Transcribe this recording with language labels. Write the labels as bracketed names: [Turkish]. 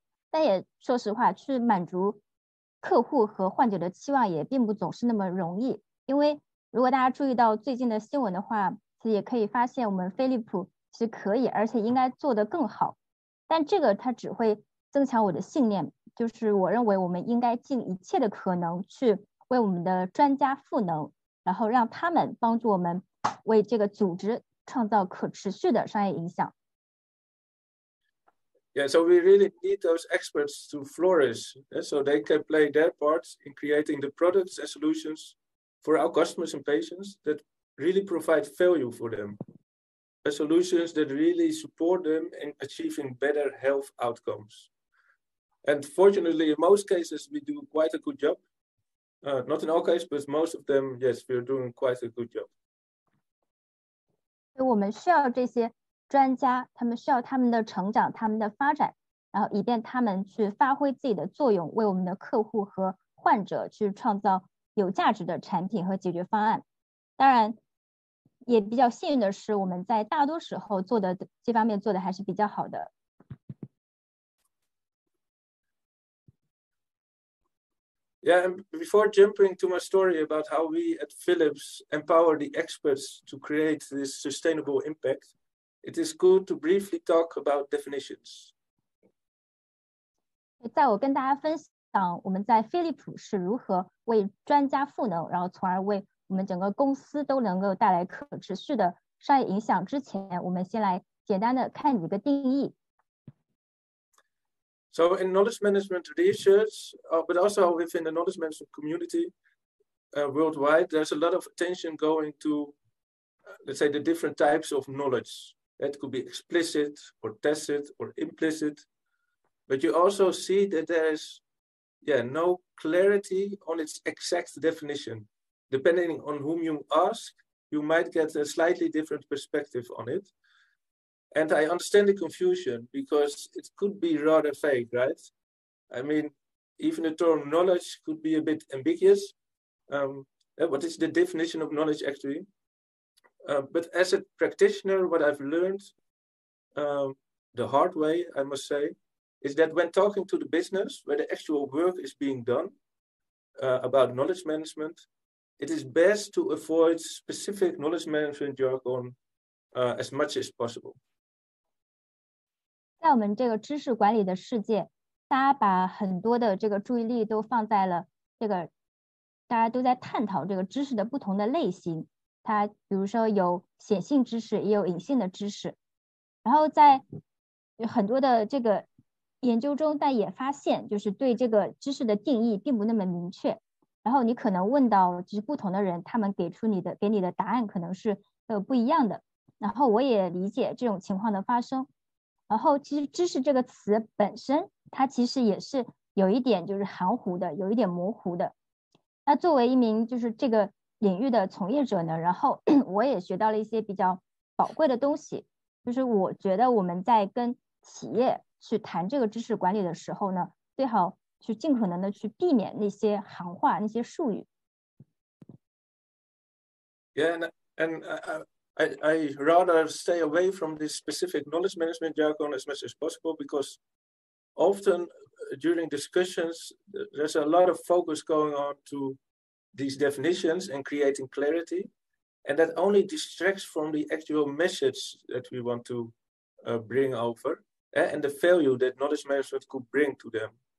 [Chinese] 但也说实话，去满足客户和患者的期望也并不总是那么容易，因为如果大家注意到最近的新闻的话，其实也可以发现我们飞利浦是可以而且应该做得更好，但这个它只会增强我的信念，就是我认为我们应该尽一切的可能去为我们的专家赋能，然后让他们帮助我们为这个组织创造可持续的商业影响。 [English] Yeah, so we really need those experts to flourish, so they can play their parts in creating the products and solutions for our customers and patients that really provide value for them, the solutions that really support them in achieving better health outcomes. And fortunately, in most cases, we do quite a good job. Not in all cases, but most of them, yes, we are doing quite a good job. [Chinese] 我们需要这些专家，他们需要他们的成长，他们的发展，然后以便他们去发挥自己的作用，为我们的客户和患者去创造有价值的产品和解决方案。当然，也比较幸运的是，我们在大多时候做的这方面做的还是比较好的。 [English] Yeah, and before jumping to my story about how we at Philips empower the experts to create this sustainable impact, it is good to briefly talk about definitions. [Chinese] 在我跟大家分享我们在飞利浦是如何为专家赋能，然后从而为我们整个公司都能够带来可持续的商业影响之前，我们先来简单的看几个定义。 [English] So in knowledge management research, but also within the knowledge management community worldwide, there's a lot of attention going to, let's say, the different types of knowledge. That could be explicit or tacit or implicit. But you also see that there's, yeah, no clarity on its exact definition. Depending on whom you ask, you might get a slightly different perspective on it. And I understand the confusion because it could be rather vague, right? I mean, even the term knowledge could be a bit ambiguous. What is the definition of knowledge actually? But as a practitioner, what I've learned the hard way, I must say, is that when talking to the business where the actual work is being done about knowledge management, it is best to avoid specific knowledge management jargon as much as possible. [Chinese] 在我们这个知识管理的世界，大家把很多的这个注意力都放在了这个，大家都在探讨这个知识的不同的类型，它比如说有显性知识也有隐性的知识。然后在很多的这个研究中，但也发现就是对这个知识的定义并不那么明确，然后你可能问到就是不同的人，他们给出你的给你的答案可能是不一样的。然后我也理解这种情况的发生。然后其实知识这个词本身它其实也是有一点就是含糊的，有一点模糊的。那作为一名就是这个领域的从业者呢，然后我也学到了一些比较宝贵的东西，就是我觉得我们在跟企业去谈这个知识管理的时候呢，最好去尽可能的去避免那些行话那些术语。 [English] Yeah, and I rather stay away from this specific knowledge management jargon as much as possible, because often during discussions there's a lot of focus going on to these definitions and creating clarity, and that only distracts from the actual message that we want to bring over, and the value that knowledge management could bring to them.